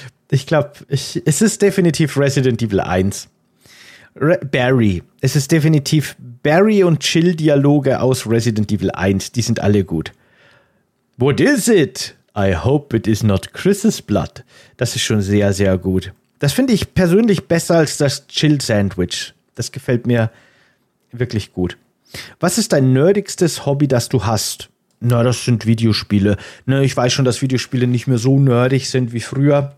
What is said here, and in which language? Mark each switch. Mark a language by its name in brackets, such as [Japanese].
[German] Ich glaube, es ist definitiv Resident Evil 1. Barry. Es ist definitiv Barry und Jill-Dialoge aus Resident Evil 1. Die sind alle gut. [English] What is it? I hope it is not Chris's blood. [German] Das ist schon sehr, sehr gut. Das finde ich persönlich besser als das Chill-Sandwich. Das gefällt mir wirklich gut. Was ist dein nerdigstes Hobby, das du hast? Na, das sind Videospiele. Na, ich weiß schon, dass Videospiele nicht mehr so nerdig sind wie früher.